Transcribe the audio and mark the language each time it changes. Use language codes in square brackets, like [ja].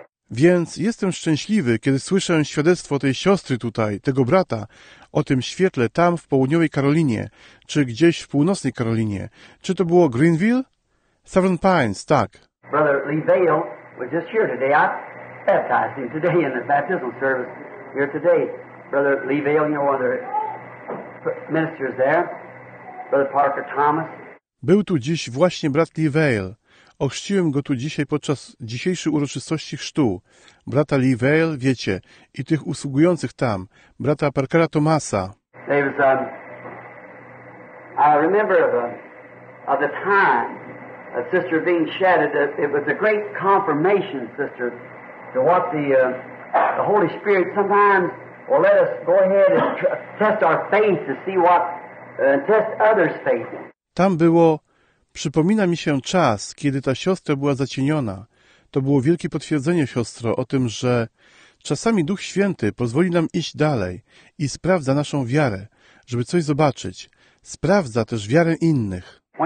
[pl] Więc jestem szczęśliwy, kiedy słyszę świadectwo tej siostry tutaj, tego brata, o tym świetle tam w południowej Karolinie, czy gdzieś w północnej Karolinie. Czy to było Greenville? Seven Pines, tak. [en] Brother Leveil was just here today. I baptized him today in the baptismal service here today. Brother Leveil, you know, one of the ministers there. Brother Parker Thomas. [pl] Był tu dziś właśnie brat Leveil. Ochrzciłem go tu dzisiaj podczas dzisiejszej uroczystości chrztu. Brata Leveil, wiecie, i tych usługujących tam, brata Parkera Thomasa. [en] I remember of the time a sister being shattered. It was a great confirmation, sister, to what the Holy Spirit sometimes will let us go ahead and test our faith to see what test others' faith. [pl] Tam było. Przypomina mi się czas, kiedy ta siostra była zacieniona. To było wielkie potwierdzenie, siostro, o tym, że czasami Duch Święty pozwoli nam iść dalej i sprawdza naszą wiarę, żeby coś zobaczyć. Sprawdza też wiarę innych.